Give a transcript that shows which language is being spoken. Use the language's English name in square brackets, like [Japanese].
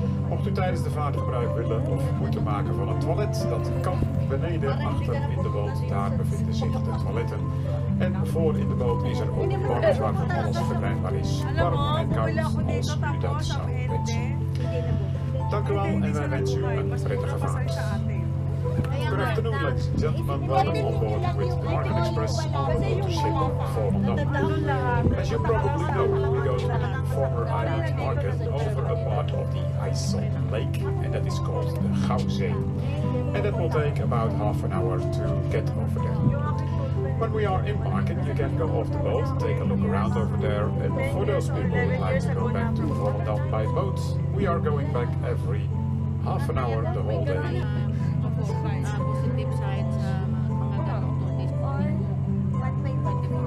[Dutch] Mocht u tijdens de vaart gebruik willen of moeten maken van een toilet, dat kan beneden achter in de boot. Daar bevinden zich de toiletten. En voor in de boot is er ook warmte waar van alles verbrengbaar is. Warm en koud als u dat zou wensen. Dank u wel en wij wensen u een prettige vaart. [English] Good afternoon, ladies and gentlemen. Welcome on board with the Marken Express on the motorship Volendam. As you probably know, we go to the former island Marken over a part of the IJssel Lake, and that is called the Gouwzee. And that will take about half an hour to get over there. When we are in Marken, you can go off the boat, take a look around over there, and for those people who like to go back to Volendam by boat, we are going back every half an hour the whole day. [Dutch] Volgens mij moet de website gaan we daar ook nog niet voor.